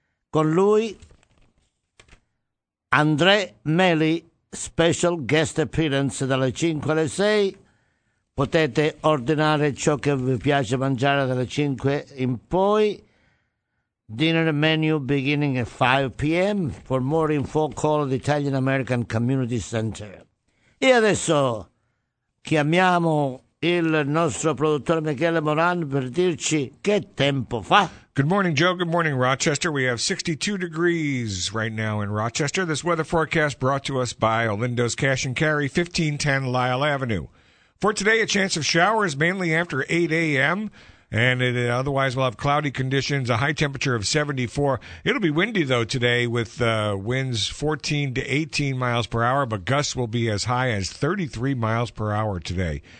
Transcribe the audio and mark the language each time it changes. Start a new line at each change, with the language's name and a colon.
Italian: Con lui André Meli,
English: special guest appearance
Italian: dalle 5 alle 6. Potete ordinare ciò che vi piace mangiare dalle 5 in poi.
English: Dinner menu beginning at 5 p.m. For more info, call the Italian American Community Center.
Italian: E adesso chiamiamo il nostro produttore Michele Moran per dirci che tempo fa.
English: Good morning, Joe. Good morning, Rochester. We have 62 degrees right now in Rochester. This weather forecast brought to us by Olindo's Cash and Carry, 1510 Lyle Avenue. For today, a chance of showers mainly after 8 a.m., and it otherwise will have cloudy conditions, a high temperature of 74. It'll be windy, though, today with winds 14 to 18 miles per hour, but gusts will be as high as 33 miles per hour today.